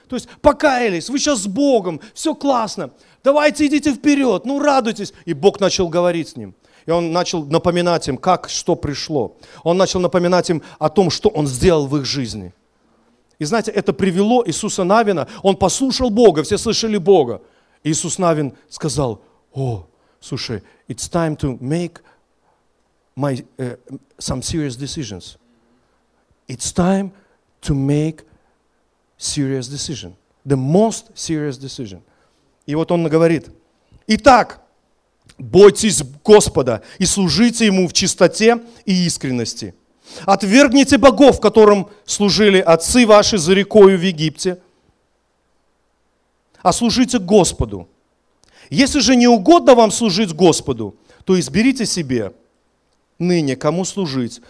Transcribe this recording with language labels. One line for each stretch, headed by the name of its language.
Russian: То есть покаялись, вы сейчас с Богом, все классно. Давайте идите вперед, ну радуйтесь. И Бог начал говорить с ним. И он начал напоминать им, как, что пришло. Он начал напоминать им о том, что он сделал в их жизни. И знаете, это привело Иисуса Навина, он послушал Бога, все слышали Бога. И Иисус Навин сказал, о, слушай,
English: it's time to make my some serious decisions. It's time to make serious decision. The most serious decision.
Russian: И вот он говорит. Итак, бойтесь Господа и служите Ему в чистоте и искренности. Отвергните богов, которым служили отцы ваши за рекою в Египте. А служите Господу. Если же не угодно вам служить Господу, то изберите себе ныне, кому служить?